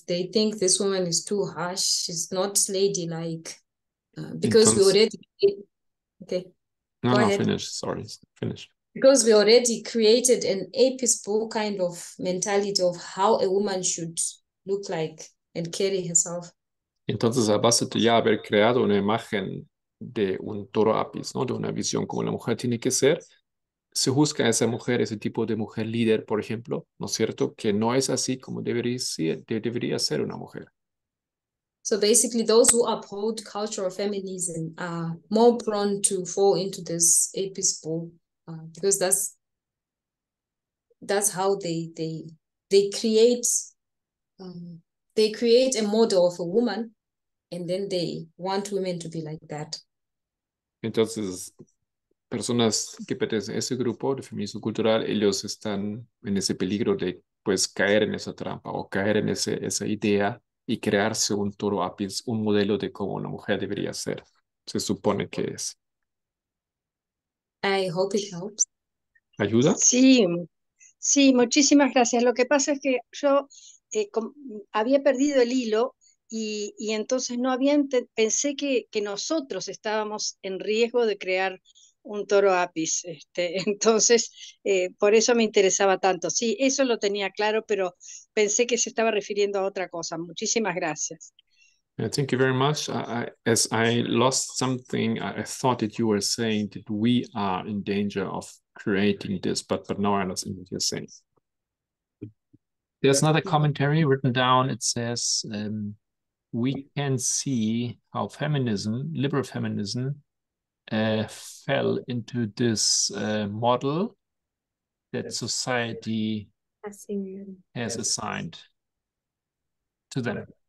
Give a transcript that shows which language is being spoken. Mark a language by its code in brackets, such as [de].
[en] They think this woman is too harsh, she's not ladylike. Because [es] Entonces, [en] we already. Okay. No, finish. Sorry, finish. Because we already created an apisbull kind of mentality of how a woman should look like and carry herself. [es] Entonces, a base de ya haber creado una imagen de un toro apis, ¿no? De una visión como la mujer tiene que ser, se juzga a esa mujer, ese tipo de mujer líder, por ejemplo, ¿no es cierto? Que no es así como debería ser una mujer. [en] So basically, those who uphold cultural feminism are more prone to fall into this apisbull, because that's how they create a model of a woman, and then they want women to be like that. [es] Entonces, personas que pertenecen a ese grupo de feminismo cultural, ellos están en ese peligro de pues caer en esa trampa o caer en esa idea y crearse un toro apis, un modelo de cómo una mujer debería ser. Se supone que es. [en] I hope it helps. [es] ¿Ayuda? Sí, sí, muchísimas gracias. Lo que pasa es que yo había perdido el hilo y entonces no había pensé que nosotros estábamos en riesgo de crear un toro apis. Entonces, por eso me interesaba tanto. Sí, eso lo tenía claro, pero pensé que se estaba refiriendo a otra cosa. Muchísimas gracias. [en] Yeah, thank you very much. As I lost something, I thought that you were saying that we are in danger of creating this, but now I understand what you're saying. There's another commentary written down. It says, we can see how feminism, liberal feminism, fell into this model that society has assigned to them.